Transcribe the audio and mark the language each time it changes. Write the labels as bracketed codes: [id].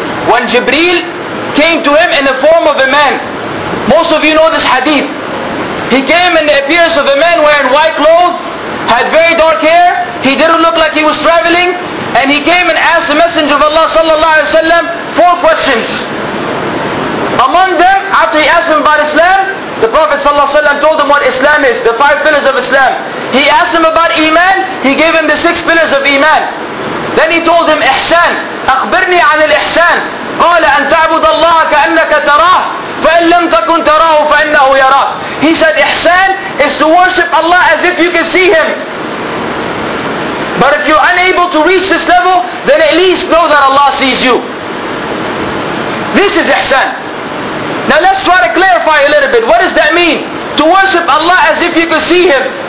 [en] When Jibreel came to him in the form of a man, most of you know this hadith, he came in the appearance of a man wearing white clothes, had very dark hair, he didn't look like he was traveling, and he came and asked the Messenger of Allah sallallahu alayhi wasallam four questions. Among them, after he asked him about Islam, the Prophet ﷺ told him what Islam is, the five pillars of Islam. He asked him about Iman, he gave him the six pillars of Iman. Then he told him, Ihsan, [ar] أخبرني عن الإحسان. قال أن تعبد الله كأنك تراه فإن لم تكن تراه فإنه يراه. [en] He said, Ihsan is to worship Allah as if you can see Him. But if you're unable to reach this level, then at least know that Allah sees you. This is Ihsan. Now let's try to clarify a little bit. What does that mean? To worship Allah as if you can see Him.